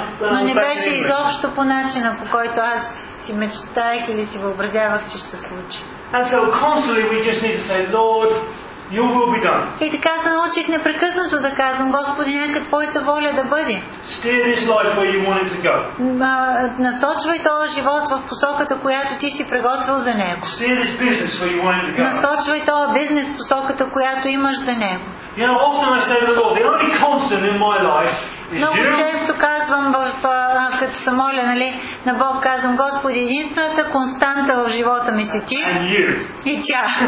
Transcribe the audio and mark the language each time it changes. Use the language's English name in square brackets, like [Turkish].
[Bulgarian] Но не беше изобщо по начина, по който аз си мечтаях или си въобразявах, че ще се случи. [English] And so constantly we just need to say, Lord, you will be done. [Bulgarian] И така се научих непрекъснато да казвам, Господи, нека Твоята воля да бъде. [English] Steer this life where you want it to go. [Bulgarian] Насочвай този живот в посоката, която Ти си приготвил за него. [English] Steer this business where you want it to go. [Bulgarian] Насочвай този бизнес в посоката, която имаш за него. [English] You know, often I say to the Lord, the only constant in my life. [Bulgarian] Много често казвам, като се моля, нали, на Бог казвам, Господи, единствената константа в живота ми си Ти и Тя.